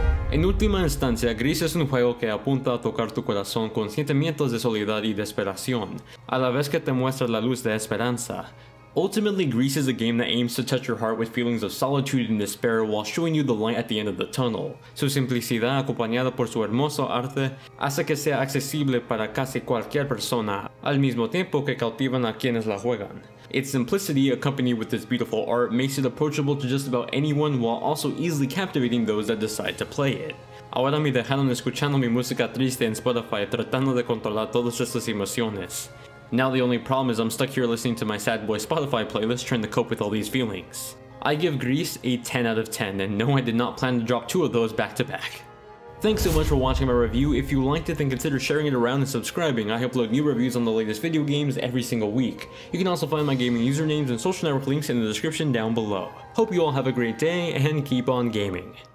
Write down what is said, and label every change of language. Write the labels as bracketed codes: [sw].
[es] En última instancia, Gris es un juego que apunta a tocar tu corazón con sentimientos de soledad y desesperación, a la vez que te muestra la luz de esperanza. [en] Ultimately, Gris is a game that aims to touch your heart with feelings of solitude and despair while showing you the light at the end of the tunnel. [es] Su simplicidad, acompañada por su hermoso arte, hace que sea accesible para casi cualquier persona, al mismo tiempo que cautivan a quienes la juegan. [en] Its simplicity, accompanied with its beautiful art, makes it approachable to just about anyone while also easily captivating those that decide to play it. [es] Ahora me dejaron escuchando mi música triste en Spotify tratando de controlar todas estas emociones. [en] Now the only problem is I'm stuck here listening to my sad boy Spotify playlist trying to cope with all these feelings. I give Gris a 10 out of 10, and no, I did not plan to drop two of those back to back. Thanks so much for watching my review. If you liked it, then consider sharing it around and subscribing. I upload new reviews on the latest video games every single week. You can also find my gaming usernames and social network links in the description down below. Hope you all have a great day, and keep on gaming.